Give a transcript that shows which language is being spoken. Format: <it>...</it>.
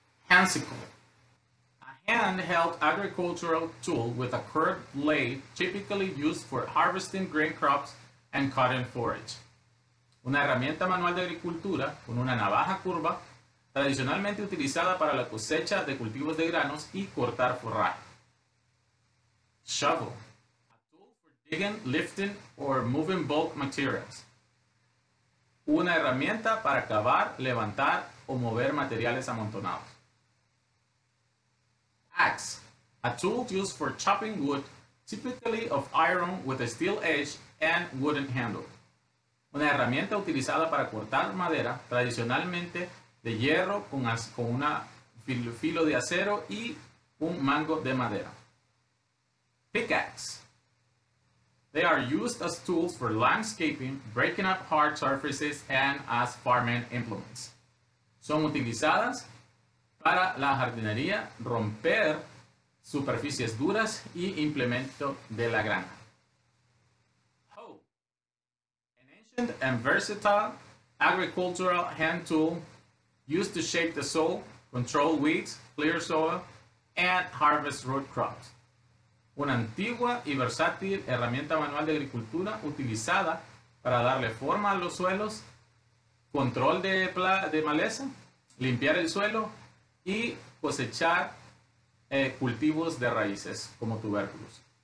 <en>A handheld agricultural tool with a curved blade typically used for harvesting grain crops and cutting forage.</en> <es>Una herramienta manual de agricultura con una navaja curva, tradicionalmente utilizada para la cosecha de cultivos de granos y cortar forraje.</es> <en>Shovel, a tool for digging, lifting, or moving bulk materials.</en> <es>Una herramienta para cavar, levantar, o mover materiales amontonados.</es> <en>Axe, a tool used for chopping wood, typically of iron with a steel edge and wooden handle.</en> <es>Una herramienta utilizada para cortar madera, tradicionalmente de hierro con un filo de acero y un mango de madera.</es> <en>Pickaxe. They are used as tools for landscaping, breaking up hard surfaces, and as farming implements.</en> <es>Son utilizadas para la jardinería, romper superficies duras y implemento de la granja.</es> <en>efficient and versatile agricultural hand tool used to shape the soil, control weeds, clear soil, and harvest root crops.</en> <es>Una antigua y versátil herramienta manual de agricultura utilizada para darle forma a los suelos, control de maleza, limpiar el suelo y cosechar cultivos de raíces como tubérculos.</es>